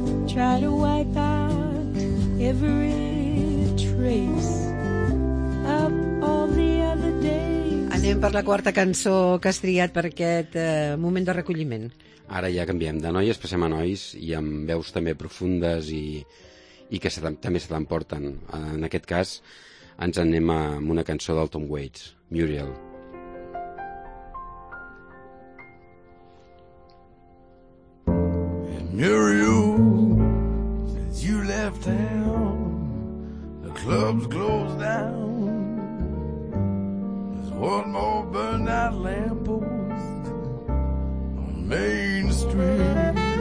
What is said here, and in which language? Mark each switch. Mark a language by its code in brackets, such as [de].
[en] Try to wipe out every trace of all the other days. [ca] Anem per la quarta cançó que has triat per aquest moment de recolliment. Ara ja canviem de noies, passem a nois, i amb veus també profundes i que també se t'emporten. En aquest cas, ens anem amb una cançó del Tom Waits, Muriel. [en] And Muriel, you left town, the club's closed down, there's one more burned out lamppost on Main Street.